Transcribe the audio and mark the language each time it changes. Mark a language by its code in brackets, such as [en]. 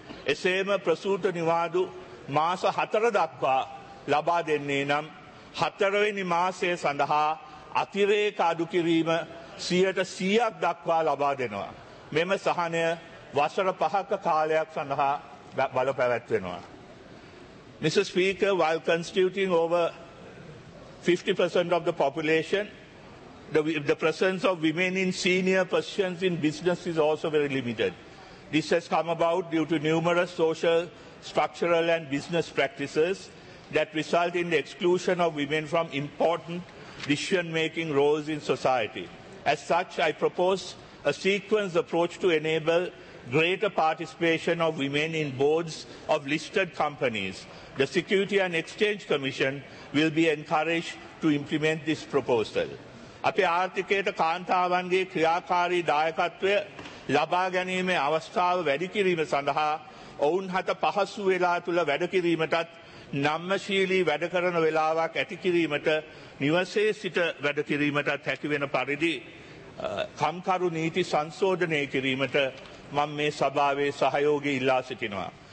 [si] එසේම ප්‍රසූත නිවාඩු මාස 4 දක්වා ලබා දෙන්නේ නම් 4 මාසය සඳහා අතිරේක අඩු කිරීම 100%ක් දක්වා ලබා දෙනවා. මෙම සහනය වසර 5ක කාලයක් සඳහා බල පැවැත්වෙනවා. [en] Mr. Speaker, while constituting over 50% of the population, the presence of women in senior positions in business is also very limited. This has come about due to numerous social, structural and business practices that result in the exclusion of women from important decision-making roles in society. As such, I propose a sequence approach to enable greater participation of women in boards of listed companies. The Security and Exchange Commission will be encouraged to implement this proposal. [si] අපේ ආර්ථිකයට කාන්තාවන්ගේ ක්‍රියාකාරී දායකත්වය ලබා ගැනීමේ අවස්ථාව වැඩි කිරීම සඳහා ඔවුන් හට පහසු වේලා තුල වැඩ කිරීමටත් නම්මශීලී වැඩ කරන වේලාවක් ඇති කිරීමට නිවසේ සිට වැඩ කිරීමටත් හැකි වෙන පරිදි කම්කරු නීති සංශෝධනය කිරීමට මම මේ සභාවේ සහයෝගය ඉල්ලා සිටිනවා.